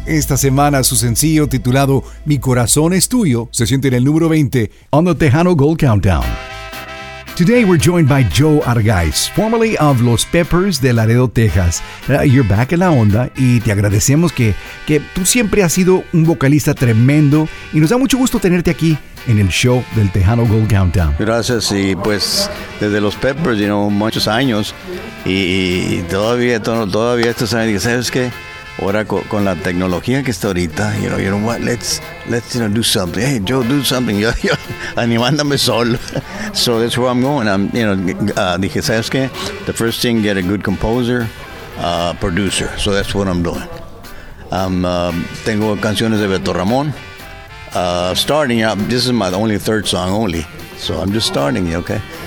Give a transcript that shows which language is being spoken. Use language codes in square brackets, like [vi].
[es] Esta semana su sencillo titulado Mi Corazón Es Tuyo se siente en el número 20 [en] on the Tejano Gold Countdown. Today we're joined by Joe Argaiz, formerly of Los Peppers de Laredo, Texas. You're back in [es] La Onda y te agradecemos que tú siempre has sido un vocalista tremendo y nos da mucho gusto tenerte aquí en el show del Tejano Gold Countdown. Gracias, y pues desde Los Peppers, [en] you know, [es] muchos años y todavía estos años, ¿sabes qué? Ahora con la tecnología que está ahorita, [en] you know what, let's you know, do something. Hey, Joe, do something. [es] Yo animándome solo. [en] So that's where I'm going. I'm, you know, [es] dije, ¿sabes qué? [en] The first thing, get a good composer, producer. So that's what I'm doing. [es] Tengo canciones de Beto Ramón. [en] Starting up, this is my only third song only. So I'm just starting, okay?